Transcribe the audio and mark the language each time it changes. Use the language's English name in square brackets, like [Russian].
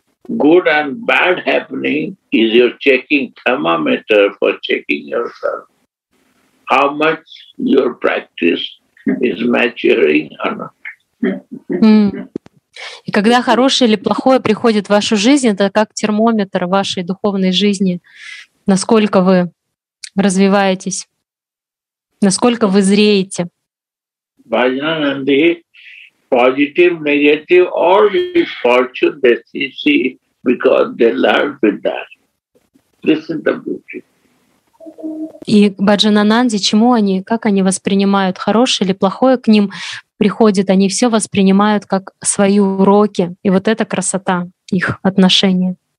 [English] Good and bad happening is your checking thermometer for checking yourself. How much your practice is maturing or not. Mm. [Russian] И когда хорошее или плохое приходит в вашу жизнь, это как термометр вашей духовной жизни, насколько вы развиваетесь, насколько вы зреете. [English] Bhajanandi, positive, negative, all this fortune that they see because they learn with that. This is the beauty. [Russian] И Бхаджанананди, чему они, как они воспринимают, хорошее или плохое к ним приходит, они все воспринимают как свои уроки, и вот это красота их отношения.